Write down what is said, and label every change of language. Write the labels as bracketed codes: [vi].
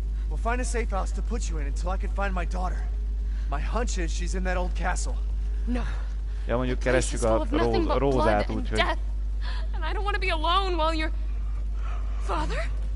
[en] We'll find a safe house to put you in until I can find my daughter. My hunch is she's in that old castle. No. [hu] Ja, mondjuk keressük a rózát, úgyhogy... [en] And I don't want to be alone while your father?